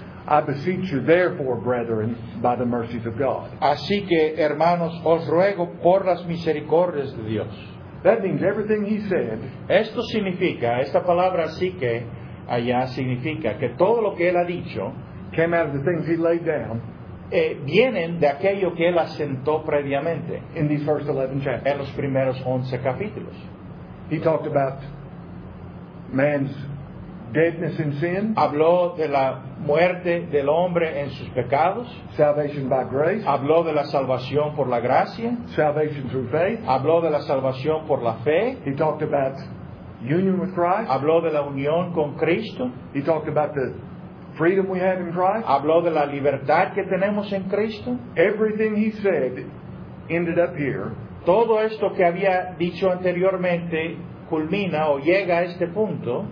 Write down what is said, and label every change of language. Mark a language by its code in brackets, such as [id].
[en] I beseech you therefore, brethren, by the mercies of God. [es] Así que, hermanos, os ruego por las misericordias de Dios. [en] That means everything he said. [es] Esto significa, esta palabra así que, allá significa que todo lo que él ha dicho [en] came out of the things he laid down. [es] Vienen de aquello que él asentó previamente. [en] In these first 11 chapters. [es] En los primeros 11 capítulos. [en] He talked about man's deadness in sin. [es] Habló de la muerte del hombre en sus pecados. [en] Salvation by grace. [es] Habló de la salvación por la gracia. [en] Salvation through faith. [es] Habló de la salvación por la fe. [en] He talked about union with Christ. [es] Habló de la unión con Cristo. [en] He talked about the freedom we have in Christ. [es] Habló de la libertad que tenemos en Cristo. [en] Everything he said ended up here. [es] Todo esto que había dicho anteriormente culmina o llega a este punto.